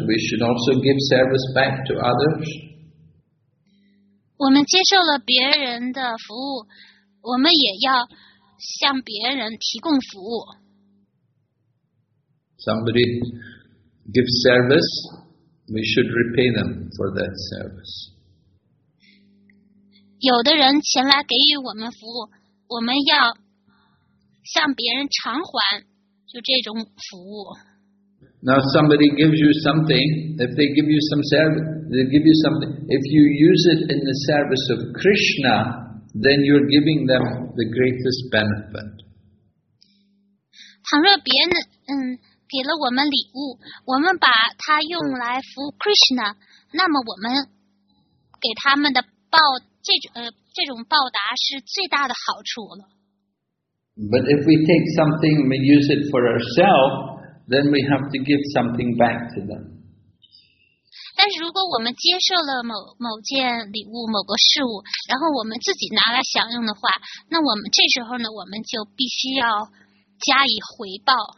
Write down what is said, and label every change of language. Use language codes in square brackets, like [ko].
[en] We should also give service back to others. [zh] 我们接受了别人的服务，我们也要向别人提供服务。 [en] Somebody gives service, we should repay them for that service. [zh] 有的人前来给予我们服务，我们要向别人偿还，就这种服务。 [en] Now somebody gives you something, if they give you some service, they give you something, if you use it in the service of Krishna, then you're giving them the greatest benefit. [zh] 倘若别人给了我们礼物，我们把它用来服务 Krishna， 那么我们给他们的报这种报答是最大的好处了。 [en] But if we take something and we use it for ourselves, then we have to give something back to them. [zh] 但是如果我们接受了某件礼物、某个事物，然后我们自己拿来享用的话，那我们这时候呢，我们就必须要加以回报。